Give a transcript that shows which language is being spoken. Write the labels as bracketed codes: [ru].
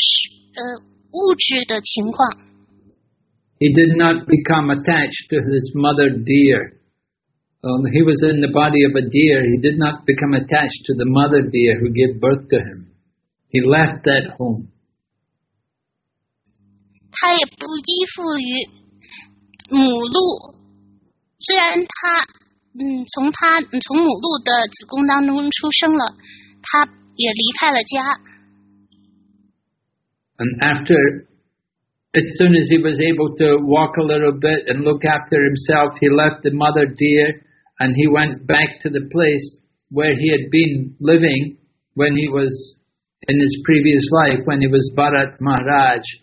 [zh] 他并不依附他的物质的情况。 [en] He did not become attached to his mother deer. He was in the body of a deer. He did not become attached to the mother deer who gave birth to him. He left that home. [zh] 他也不依附于母鹿，虽然他从母鹿的子宫当中出生了，他也离开了家。 [en] And after, as soon as he was able to walk a little bit and look after himself, he left the mother deer and he went back to the place where he had been living when he was in his previous life, when he was Bharat Maharaj.